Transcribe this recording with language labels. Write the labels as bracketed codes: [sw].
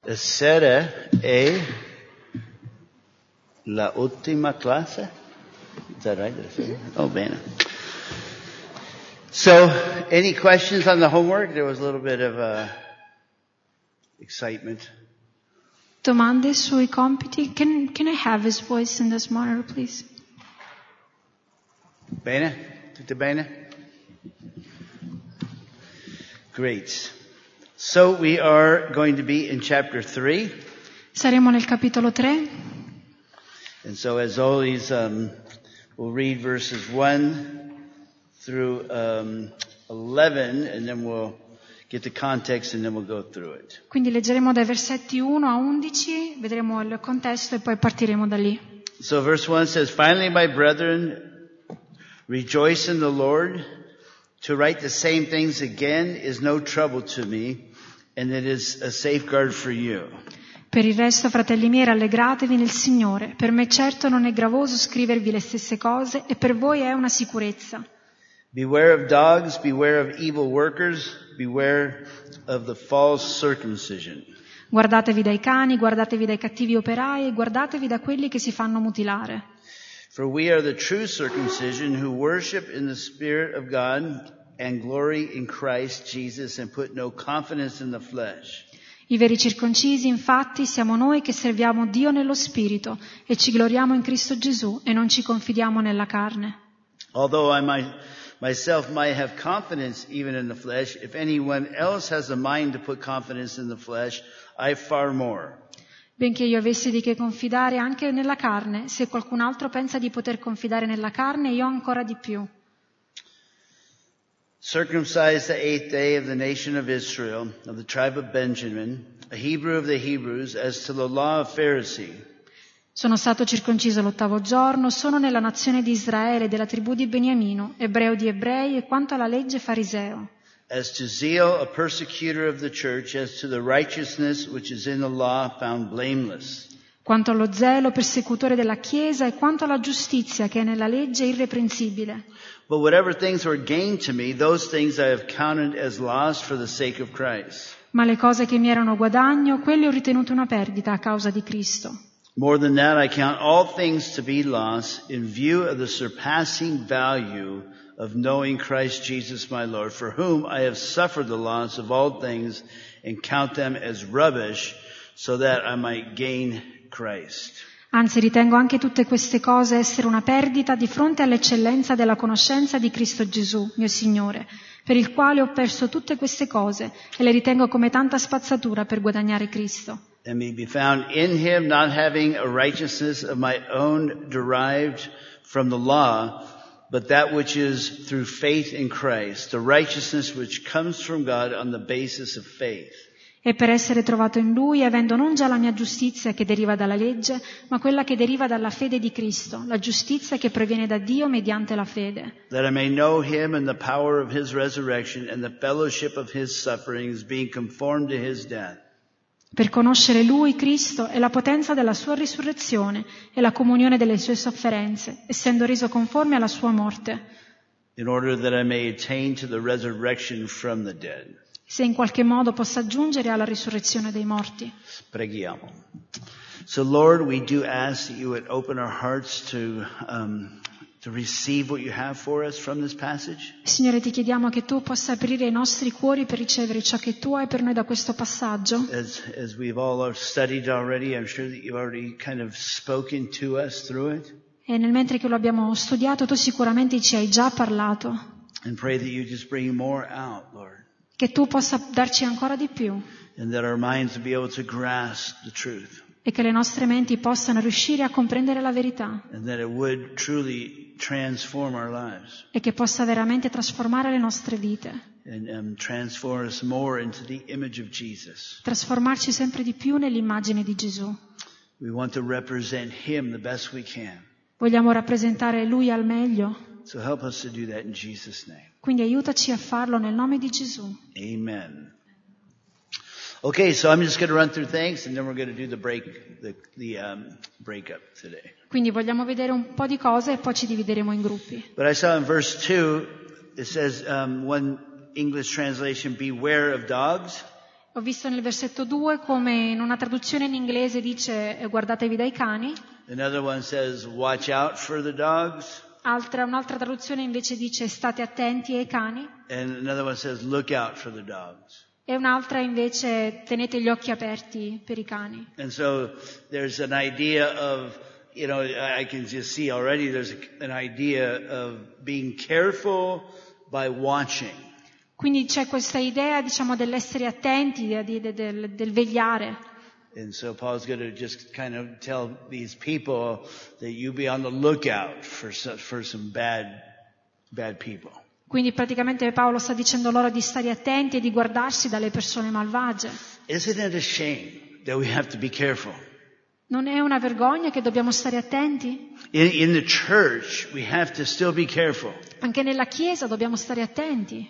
[it] Essere è la ultima classe? [en] Is that right? Oh, [it] bene. [en] So, any questions on the homework? There was a little bit of excitement. [it] Domande sui compiti? [en] Can I have his voice in this monitor, please? [it] Bene? Tutto bene? [en] Great. So we are going to be in chapter 3. [it] Saremo nel capitolo 3. [en] And so as always, we'll read verses 1 through 11, and then we'll get the context and then we'll go through it. [it] Quindi leggeremo dai versetti 1 a 11, vedremo il contesto e poi partiremo da lì. [en] So verse 1 says, finally my brethren, rejoice in the Lord. To write the same things again is no trouble to me, and it is a safeguard for you. [it] Per il resto, fratelli miei, rallegratevi nel Signore. Per me certo non è gravoso scrivervi le stesse cose, e per voi è una sicurezza. [en] Beware of dogs, beware of evil workers, beware of the false circumcision. [it] Guardatevi dai cani, guardatevi dai cattivi operai, e guardatevi da quelli che si fanno mutilare. [en] For we are the true circumcision who worship in the Spirit of God and glory in Christ Jesus and put no confidence in the flesh. [it] I veri circoncisi, infatti, siamo noi che serviamo Dio nello Spirito e ci gloriamo in Cristo Gesù e non ci confidiamo nella carne. [en] Although I myself might have confidence even in the flesh, if anyone else has a mind to put confidence in the flesh, I far more. [it] Benché io avessi di che confidare anche nella carne, se qualcun altro pensa di poter confidare nella carne, io ancora di più. [en] Circumcised the eighth day of the nation of Israel, of the tribe of Benjamin, a Hebrew of the Hebrews, as to the law of Pharisee. [it] Sono stato circonciso l'ottavo giorno, sono nella nazione di Israele, della tribù di Beniamino, ebreo di ebrei, e quanto alla legge fariseo. [en] As to zeal, a persecutor of the church, as to the righteousness which is in the law, found blameless. [it] Quanto allo zelo, persecutore della Chiesa, e quanto alla giustizia che è nella legge irreprensibile. [en] But whatever things were gained to me, those things I have counted as loss for the sake of Christ. [it] Ma le cose che mi erano guadagno, quelle ho ritenute una perdita a causa di Cristo. [en] More than that, I count all things to be loss in view of the surpassing value of knowing Christ Jesus my Lord, for whom I have suffered the loss of all things and count them as rubbish, so that I might gain Christ. [it] Anzi, ritengo anche tutte queste cose essere una perdita di fronte all'eccellenza della conoscenza di Cristo Gesù, mio Signore, per il quale ho perso tutte queste cose e le ritengo come tanta spazzatura per guadagnare Cristo. [en] And may be found in him, not having a righteousness of my own derived from the law, but that which is through faith in Christ, the righteousness which comes from God on the basis of faith. [it] E per essere trovato in Lui, avendo non già la mia giustizia che deriva dalla legge, ma quella che deriva dalla fede di Cristo, la giustizia che proviene da Dio mediante la fede. [en] That I may know Him and the power of His resurrection and the fellowship of His sufferings, being conformed to His death. [it] Per conoscere Lui, Cristo, e la potenza della Sua risurrezione e la comunione delle Sue sofferenze, essendo reso conforme alla Sua morte. [en] In order that I may attain to the resurrection from the dead. [it] Se in qualche modo possa giungere alla risurrezione dei morti. Preghiamo. [en] So Lord, we do ask that you would open our hearts to receive what you have for us from this passage. [it] Signore, ti chiediamo che tu possa aprire i nostri cuori per ricevere ciò che tu hai per noi da questo passaggio. [en] As we've all studied already, I'm sure that you've already kind of spoken to us through it. [it] E nel mentre che lo abbiamo studiato, tu sicuramente ci hai già parlato. [en] And pray that you just bring more out, Lord. [it] Che tu possa darci ancora di più. [en] And that our minds will be able to grasp the truth. [it] E che le nostre menti possano riuscire a comprendere la verità. [en] And that it would truly transform our lives. [it] E che possa veramente trasformare le nostre vite. [en] And transform us more into the image of Jesus. [it] Trasformarci sempre di più nell'immagine di Gesù. [en] We want to represent Him the best we can. [it] Vogliamo rappresentare Lui al meglio. [en] So help us to do that in Jesus' name. [it] Quindi aiutaci a farlo nel nome di Gesù. [en] Amen. Okay, so I'm just going to run through things and then we're going to do the breakup today. [it] Quindi vogliamo vedere un po' di cose e poi ci divideremo in gruppi. [en] But I saw in verse 2 it says one English translation, beware of dogs. [it] Ho visto nel versetto 2 come in una traduzione in inglese dice guardatevi dai cani. [en] Another one says watch out for the dogs. [it] Un'altra traduzione invece dice state attenti ai cani. [en] And another one says look out for the dogs. [it] E un'altra invece tenete gli occhi aperti per i cani. [en] And so there's an idea of, you know, I can just see already there's an idea of being careful by watching. [it] Quindi c'è questa idea, diciamo, dell'essere attenti, del vegliare. [en] And so Paul's going to just kind of tell these people that you be on the lookout for some bad people. [it] Quindi praticamente Paolo sta dicendo loro di stare attenti e di guardarsi dalle persone malvagie. [en] Isn't it a shame that we have to be careful? [it] Non è una vergogna che dobbiamo stare attenti? [en] In the church we have to still be careful. [it] Anche nella chiesa dobbiamo stare attenti.